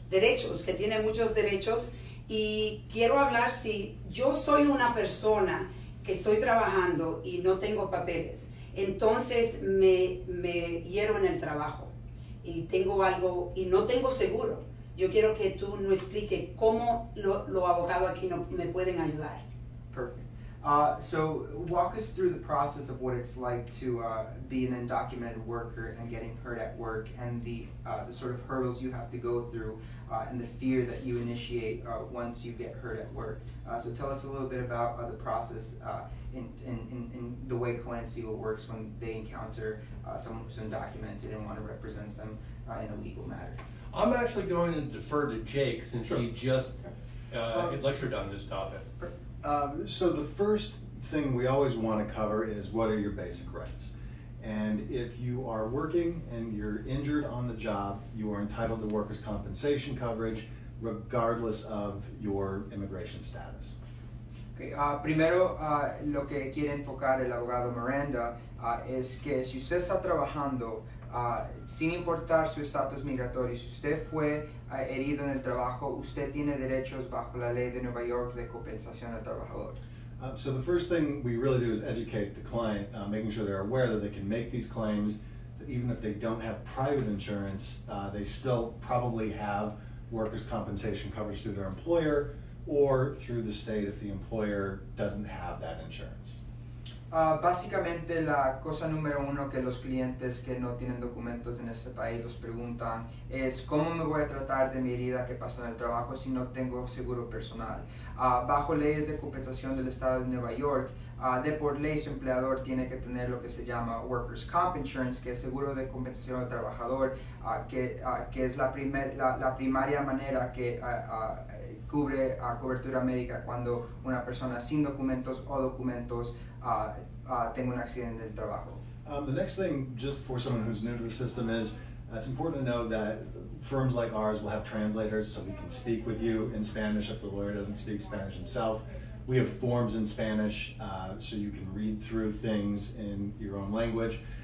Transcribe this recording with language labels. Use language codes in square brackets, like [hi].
[es] Derechos, que tiene muchos derechos. Y quiero hablar, si yo soy una persona que estoy trabajando y no tengo papeles, entonces me hiero en el trabajo y tengo algo y no tengo seguro. yo quiero que tú nos explique cómo los abogados aquí no, me pueden ayudar. [en] Perfect. So walk us through the process of what it's like to be an undocumented worker and getting hurt at work, and the sort of hurdles you have to go through, and the fear that you initiate once you get hurt at work. So tell us a little bit about the process in the way Cohen and Siegel works when they encounter someone who's undocumented and one who represents them in a legal matter. I'm actually going to defer to Jake since sure. he just lectured on this topic. So the first thing we always want to cover is what are your basic rights? And if you are working and you're injured on the job, you are entitled to workers' compensation coverage regardless of your immigration status. [es] Okay, primero, lo que quiere enfocar el abogado Miranda es que si usted está trabajando, sin importar su estatus migratorio, si usted fue herido en el trabajo, usted tiene derechos bajo la ley de Nueva York de compensación al trabajador. [en] So the first thing we really do is educate the client, making sure they're aware that they can make these claims, that even if they don't have private insurance, they still probably have workers' compensation coverage through their employer or through the state if the employer doesn't have that insurance. [es] Básicamente, la cosa número uno que los clientes que no tienen documentos en este país los preguntan es cómo me voy a tratar de mi herida que pasó en el trabajo si no tengo seguro personal. Bajo leyes de compensación del estado de Nueva York, de por ley su empleador tiene que tener lo que se llama Workers' Comp Insurance, que es seguro de compensación al trabajador, que es la primaria manera que cubre a cobertura médica cuando una persona sin documentos o documentos tengo un accidente del trabajo. [en] The next thing, just for someone who's new to the system, is it's important to know that firms like ours will have translators so we can speak with you in Spanish if the lawyer doesn't speak Spanish himself. We have forms in Spanish so you can read through things in your own language.